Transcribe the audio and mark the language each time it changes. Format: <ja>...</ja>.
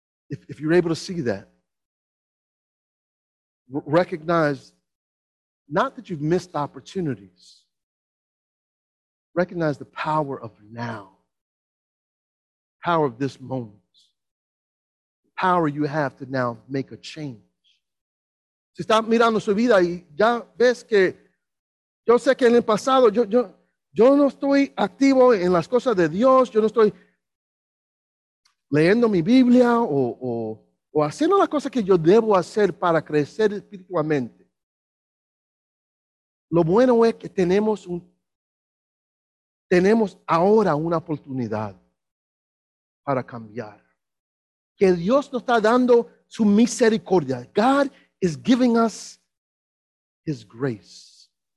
<en>If you're able to see that, recognize not that you've missed opportunities. Recognize the power of now. Power of this moment. The power you have to now make a change.</en> <es>Si está mirando su vida y ya ves que yo sé que en el pasado yo no estoy activo en las cosas de Dios. Yo no estoy leyendo mi Biblia o haciendo las cosas que yo debo hacer para crecer espiritualmente. Lo bueno es que tenemos ahora una oportunidad para cambiar. Que Dios nos está dando su misericordia.</es> <en>God is giving us his grace.</en>